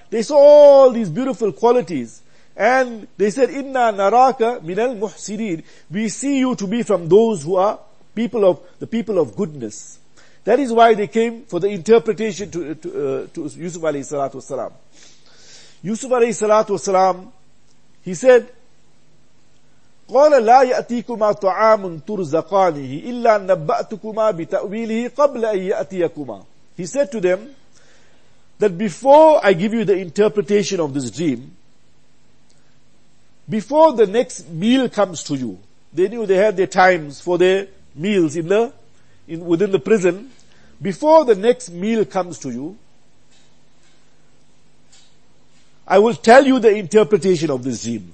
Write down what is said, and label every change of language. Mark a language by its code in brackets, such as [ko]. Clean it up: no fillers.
[en] They saw all these beautiful qualities. And they said, [ar] Inna naraka minal muhsirin. [en] We see you to be from those who are the people of goodness. That is why they came for the interpretation to Yusuf alayhi salatu wasalam. [ar] Yusuf alayhi salatu wasalam, he said, قَالَ لَا يَأْتِيكُمَا طَعَامٌ تُرْزَقَانِهِ إِلَّا نَبَّأْتُكُمَا بِتَأْوِيلِهِ قَبْلَ أَن يَأْتِيَكُمَا. [en] He said to them that before I give you the interpretation of this dream, before the next meal comes to you, they knew they had their times for their meals within the prison. Before the next meal comes to you, I will tell you the interpretation of this dream.